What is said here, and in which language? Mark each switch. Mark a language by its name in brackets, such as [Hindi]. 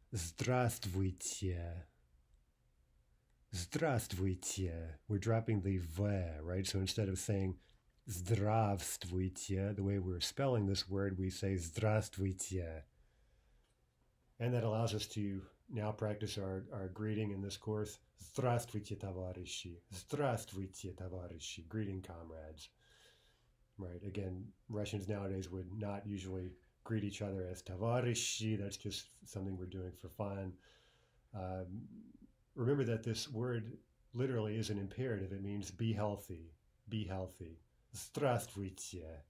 [Russian] Здравствуйте. Здравствуйте. [English] We're dropping the V, right? So instead of saying [Russian] Здравствуйте, [English] the way we're spelling this word, we say Здравствуйте. And that allows us to now practice our greeting in this course. [Russian] Здравствуйте, товарищи. Здравствуйте, товарищи. [English] Greeting, comrades. Right, again, Russians nowadays would not usually greet each other as товарищи. That's just something we're doing for fun. Remember that this word literally is an imperative. It means be healthy. Be healthy. [Russian] Здравствуйте.